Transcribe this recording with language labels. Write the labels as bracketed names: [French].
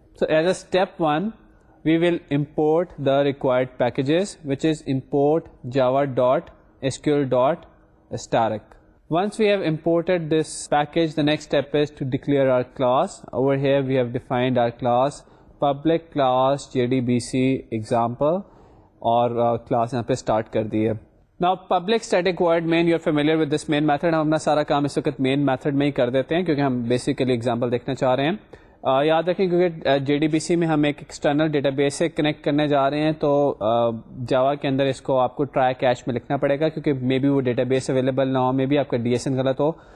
[English] So as a step one we will import the required packages which is import Java dot S Q L dot star. Once we have imported this package the next step is to declare our class. Over here we have defined our class public class J D B C example [Urdu] اور class یہاں پہ start کر دی ہے. [English] Now, public static void main, you're familiar with this main method. [Urdu] ہم اپنا سارا کام اس وقت main method میں ہی کر دیتے ہیں کیونکہ ہم بیسیکلی ایگزامپل دیکھنا چاہ رہے ہیں. یاد رکھیں کیونکہ جے ڈی بی سی میں ہم ایک ایکسٹرنل ڈیٹا بیس سے کنیکٹ کرنے جا رہے ہیں تو جاوا کے اندر اس کو آپ کو ٹرائی کیچ میں لکھنا پڑے گا کیونکہ مے بی وہ ڈیٹا بیس اویلیبل نہ ہو, مے بی آپ کا ڈی ایس این غلط ہو.